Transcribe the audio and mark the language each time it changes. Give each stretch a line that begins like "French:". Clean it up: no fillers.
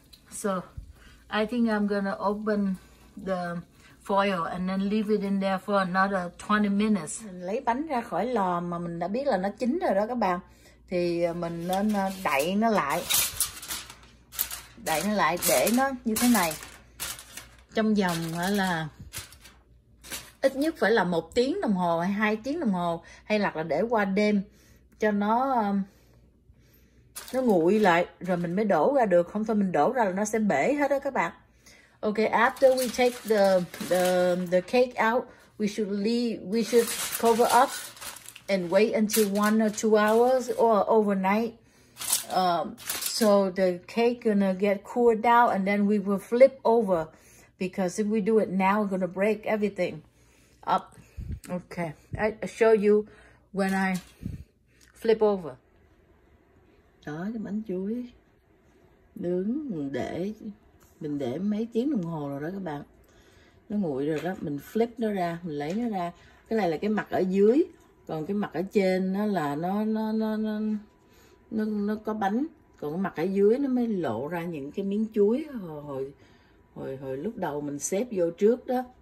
English: So, I think I'm gonna open the foil and then leave it in there for another 20 minutes.
Vietnamese: Mình lấy bánh ra khỏi lò mà mình đã biết là nó chín rồi đó các bạn. Thì mình nên đậy nó lại. Đậy nó lại để nó như thế này. Trong vòng là ít nhất phải là 1 tiếng đồng hồ hay 2 tiếng đồng hồ. Hay là để qua đêm cho nó nguội lại rồi mình mới đổ ra được, không thôi mình đổ ra là nó sẽ bể hết đó các bạn.
English: Okay, after we take the cake out, we should cover up and wait until 1 or 2 hours or overnight. So the cake gonna get cooled down and then we will flip over, because if we do it now we're gonna break everything up. Okay, I show you when I flip over.
Vietnamese: Đó, cái bánh chuối nướng để mình để mấy tiếng đồng hồ rồi đó các bạn, nó nguội rồi đó, mình flip nó ra, mình lấy nó ra. Cái này là cái mặt ở dưới, còn cái mặt ở trên nó là nó có bánh, còn cái mặt ở dưới nó mới lộ ra những cái miếng chuối hồi lúc đầu mình xếp vô trước đó.